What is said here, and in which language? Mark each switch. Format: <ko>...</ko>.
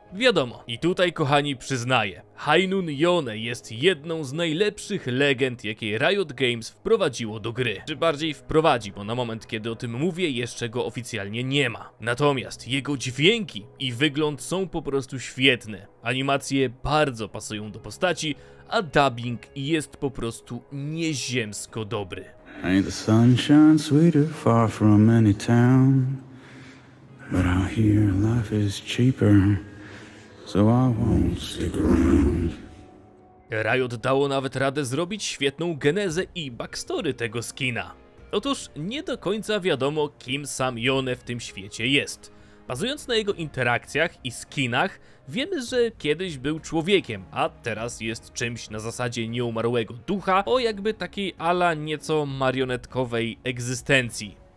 <pl>Wiadomo, i tutaj kochani przyznaję, Hainun Yone jest jedną z najlepszych legend, jakie Riot Games wprowadziło do gry. Czy bardziej wprowadzi, bo na moment kiedy o tym mówię, jeszcze go oficjalnie nie ma. Natomiast jego dźwięki i wygląd są po prostu świetne. Animacje bardzo pasują do postaci, a dubbing jest po prostu nieziemsko dobry.</pl> <en>Ain't the sunshine sweeter far from any town, but out here life is cheaper. So I won't stick around.</en> <pl>Riot dało nawet radę zrobić świetną genezę i backstory tego skina. Otóż nie do końca wiadomo, kim sam Yone w tym świecie jest. Bazując na jego interakcjach i skinach, wiemy, że kiedyś był człowiekiem, a teraz jest czymś na zasadzie nieumarłego ducha o jakby takiej ala nieco marionetkowej egzystencji.</pl>